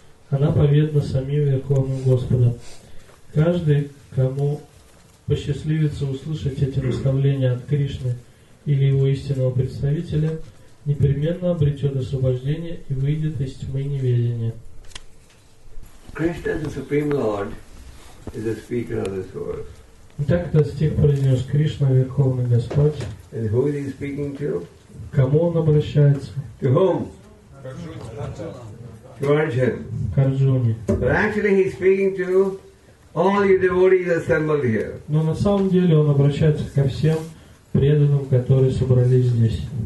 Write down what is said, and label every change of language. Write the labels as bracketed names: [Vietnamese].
[Russian] Она поведана самим Верховным Господом. Каждый, кому посчастливится услышать эти наставления от Кришны или его истинного представителя, непременно обретет освобождение и выйдет из тьмы неведения. [English] Krishna, the Supreme Lord, is the speaker of this world. [Russian] Итак, этот стих произнес Кришна, Верховный Господь. [English] And who is he speaking to? [Russian] Кому он обращается? [English] To whom? Arjuna. To Arjuna. [Russian] К Арджуне. [English] But actually he's speaking to all your devotees assembled here. [Russian] Но на самом деле он обращается ко всем преданным, которые собрались здесь.